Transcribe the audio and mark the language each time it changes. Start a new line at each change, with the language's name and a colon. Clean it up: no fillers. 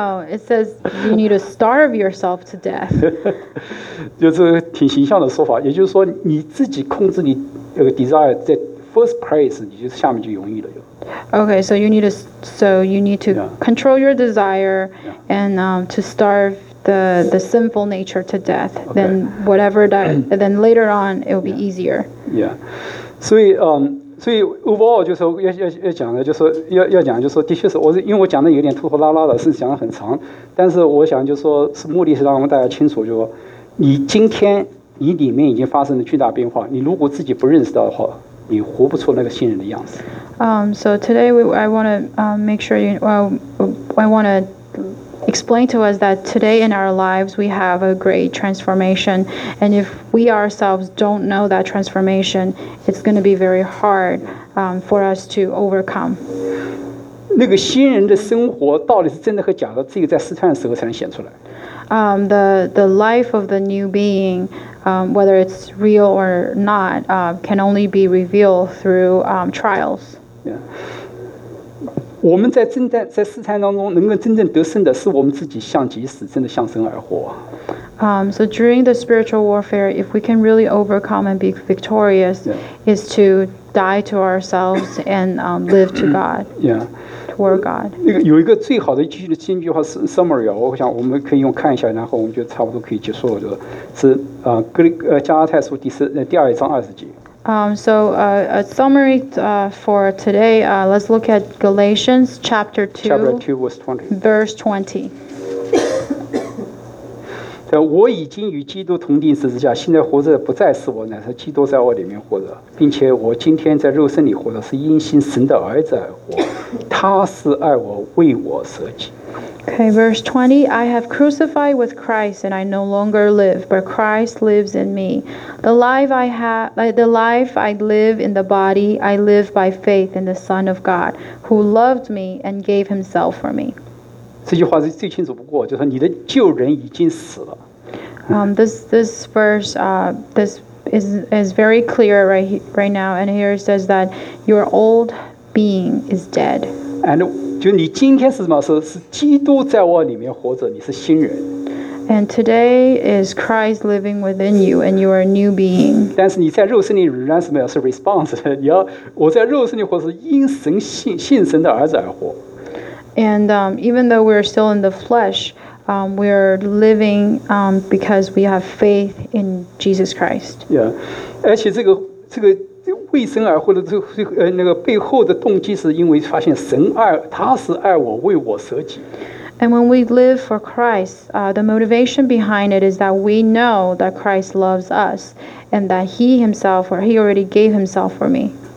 English: It says you need to starve yourself to death，
Chinese: 就是挺形象的说法。也就是说你自己控制你
English: desire
Chinese: 在
English: first place，
Chinese: 你就下面就容易了。
English: Okay, so you need to control your desire and to starve the sinful nature to death. Okay. Then whatever that, then later on it will be easier. Yeah.
Chinese: 所以
English: overall
Chinese: 就是要讲的，就是要讲，就是的确是因为我讲的有点拖拖拉拉的，是讲的很长，但是我想就是说是目的是让我们大家清楚，就是说你今天你里面已经发生了巨大变化，你如果自己不认识到的话，你活不出那个信任的样子。
English: So today I want to make sure I want to explain to us that today in our lives we have a great transformation, and if we ourselves don't know that transformation, it's going to be very hard for us to overcome.
Chinese: 那个新人的生活到底是真的和假的，只有在试探的时候才能显出来。
English: The life of the new being, whether it's real or not, can only be revealed through trials. Yeah.
Chinese: 我们在真的在试探当中能够真正得胜的，是我们自己向己死，真的向神而活。
English: So during the spiritual warfare, if we can really overcome and be victorious, yeah. is to die to ourselves and live to God. Yeah. Toward God.
Chinese: 有一个最好的金句话
English: summary
Chinese: 我想我们可以用看一下，然后我们就差不多可以结束了。是加拉太书第二章二十节。
English: A summary for today. Let's look at Galatians chapter 2. Chapter 2, verse 20. Verse 20.
Chinese: 我已经与基督同钉十字架，现在活着不再是我，乃是基督在我里面活着，并且我今天在肉身里活着，是因信神的儿子而活。他是爱我，为我舍己。
English: Okay, verse 20. I have crucified with Christ, and I no longer live, but Christ lives in me. The life I live in the body, I live by faith in the Son of God, who loved me and gave Himself for me.
Chinese: 这句话是最清楚不过，就是你的旧人已经死了。
English: This verse is very clear right now, and here it says that your old being is dead. And
Chinese: 就你今天是什么？是基督在我里面活着，你是新人。
English: And today is Christ living within you, and you are a new being.
Chinese: 但是你在肉身里仍然什么呀？是
English: response。
Chinese: 你要我在肉身里活，是因神信神的儿子而活。
English: And even though we're still in the flesh, we're living because we have faith in Jesus Christ. Yeah,
Chinese: 而且这个。为神而活的那个背后的动机，是因为发现神爱他，是爱我，为我舍己。
English: And when we live for Christ, the motivation behind it is that we know that Christ loves us, and that He Himself, or He already gave Himself for me.